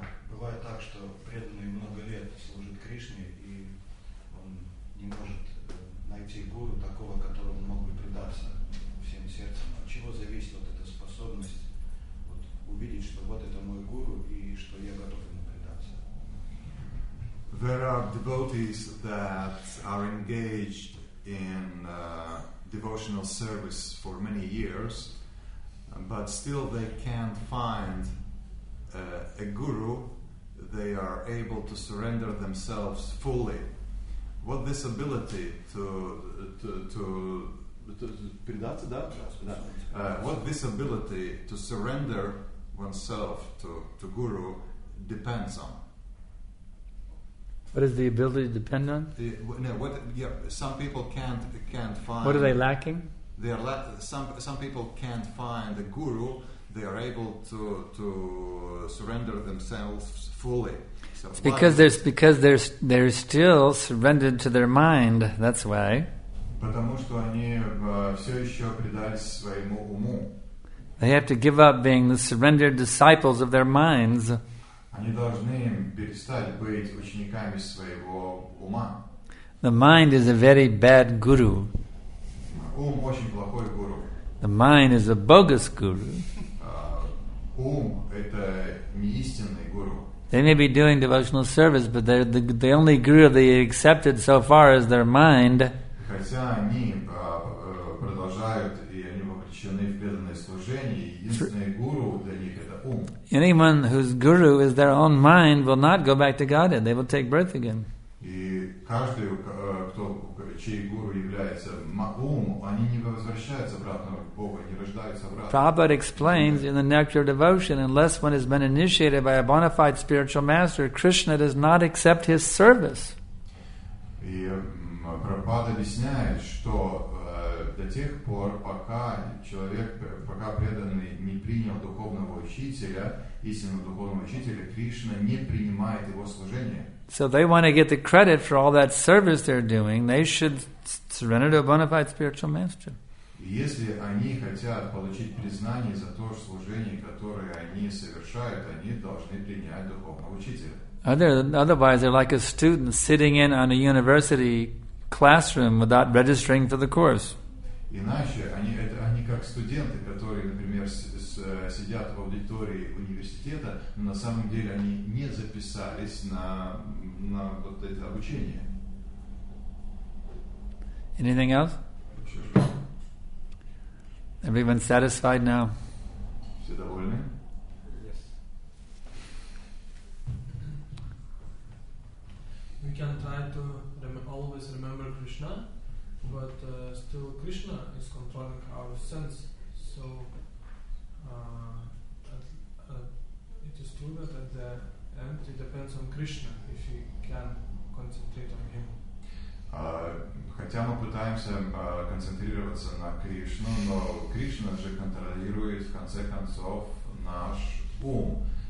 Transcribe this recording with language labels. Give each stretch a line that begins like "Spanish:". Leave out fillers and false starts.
Russian: Бывает так, что преданный много лет служит Кришне, и он не может найти гуру такого, которому он мог бы предаться. От чего зависит вот эта способность вот, увидеть, что вот это мой гуру и что я готов ему предаться?
English: There are devotees that are engaged in devotional service for many years, but still they can't find a guru they are able to surrender themselves fully. What this ability what this ability to surrender oneself to Guru depends on? What is the ability to depend on? Some people can't find. What are they lacking? They are some people can't find a Guru they are able to surrender themselves fully. So because they're still surrendered to their mind. That's why.
Russian: Потому что они все еще предались своему уму.
English: They have to give up being the surrendered disciples of their minds.
Russian: Они должны перестать быть учениками своего ума.
English: The mind is a very bad guru.
Russian: Ум очень плохой гуру.
English: The mind is a bogus guru.
Russian: Ум это неистинный гуру.
English: They may be doing devotional service, but they're the only guru they accepted so far is their mind.
Russian: Хотя они продолжают и они вовлечены в преданное служение, единственный гуру для них это ум.
English: Anyone whose guru is their own mind will not go back to Godhead. They will take birth again.
Russian: И каждый, чей гуру является ум, они не возвращаются обратно к Богу, они рождаются обратно.
English: Prabhupada explains in the Nectar of Devotion, unless one has been initiated by a bona fide spiritual master, Krishna does not accept his service.
Russian: И Прабхупада объясняет, что до тех пор, пока человек, пока преданный не принял духовного учителя, истинного духовного учителя, Кришна не принимает его служение.
English: So they want to get the credit for all that service they're doing, they should surrender to a bona fide spiritual master.
Russian: Если они хотят получить признание за то служение, которое они совершают, они должны принять духовного учителя.
English: Otherwise, they're like a student sitting in on a university classroom without registering for the course.
Russian: Иначе они как студенты, которые, например, сидят в аудитории университета, но на самом деле они не записались на вот это обучение.
English: Anything else? Everyone satisfied now?
Russian: Все довольны?
English: Yes. We can try to always remember Krishna, but still Krishna is controlling our sense. So it is true that at the end it depends on Krishna if we can concentrate on him.
Russian: Хотя мы пытаемся концентрироваться на Кришну, но Кришна же контролирует, в конце концов, наш ум.